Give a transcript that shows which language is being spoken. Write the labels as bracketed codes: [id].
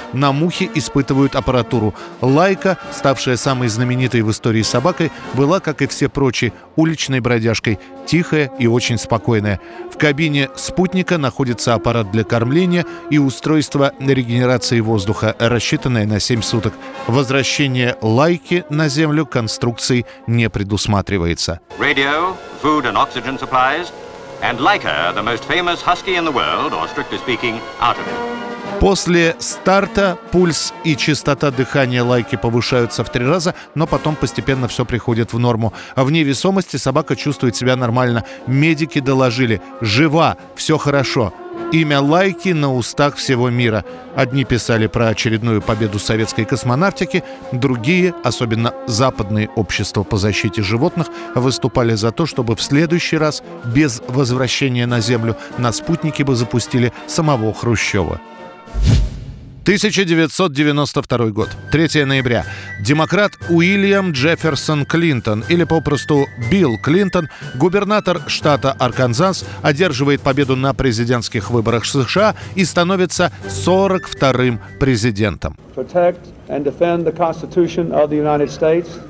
[ru] На Мухе испытывают аппаратуру. Лайка, ставшая самой знаменитой в истории собакой, была, как и все прочие, уличной бродяжкой. Тихая и очень спокойная. В кабине спутника находится аппарат для кормления и устройство регенерации воздуха, рассчитанное на 7 суток. Возвращение Лайки на Землю конструкции не предусматривается. [en] Radio, food and oxygen supplies, and Laika, the most famous husky in the world, or strictly speaking, out of it. [ru] После старта пульс и частота дыхания Лайки повышаются в 3 раза, но потом постепенно все приходит в норму. В невесомости собака чувствует себя нормально. Медики доложили: жива, все хорошо. Имя Лайки на устах всего мира. Одни писали про очередную победу советской космонавтики, другие, особенно западные общества по защите животных, выступали за то, чтобы в следующий раз, без возвращения на Землю, на спутники бы запустили самого Хрущева. 1992 год. 3 ноября. Демократ Уильям Джефферсон Клинтон, или попросту Билл Клинтон, губернатор штата Арканзас, одерживает победу на президентских выборах США и становится 42-м президентом. [en] Protect and defend the Constitution of the United States.